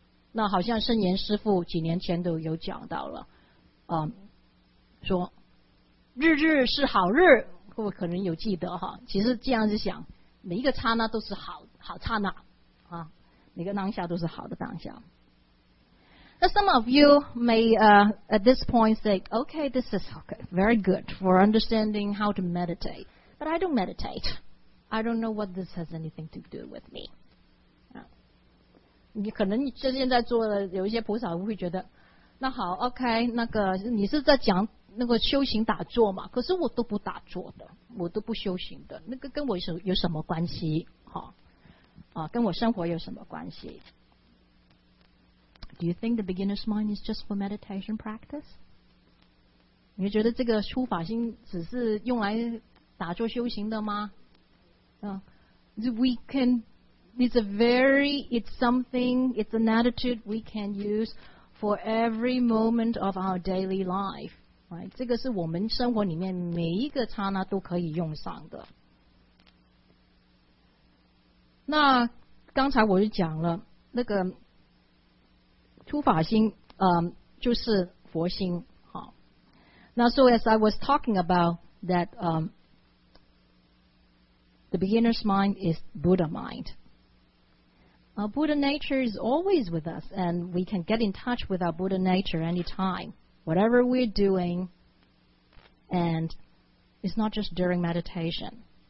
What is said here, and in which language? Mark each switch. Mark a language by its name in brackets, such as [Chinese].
[Chinese] 那好像圣严师父几年前都有讲到了，说日日是好日，会不会可能有记得哈？其实这样子想，每一个刹那都是好刹那啊，每个当下都是好的当下。 [English] 那 some of you may at this point say, okay, this is okay, very good for understanding how to meditate, but I don't meditate. I don't know what this has anything to do with me. [Chinese] 你可能就现在做了，有一些菩萨会觉得，那好 ，OK， 那个你是在讲那个修行打坐嘛？可是我都不打坐的，我都不修行的，那个跟我有什么关系？ [English] 哈，啊， [Chinese] 跟我生活有什么关系 [English] ？Do you think the beginner's mind is just for meditation practice？ [Chinese] 你觉得这个初法心只是用来打坐修行的吗？嗯 ， [English] We can。 It's a very, it's something, it's an attitude we can use for every moment of our daily life. Right? [Chinese] 这个是我们生活里面每一个刹那都可以用上的。那刚才我就讲了，那个初法心，就是佛心。 [English] 好，那 so as I was talking about that, the beginner's mind is Buddha mind. Our Buddha nature is always with us, and we can get in touch with our Buddha nature anytime, whatever we're doing, and it's not just during meditation.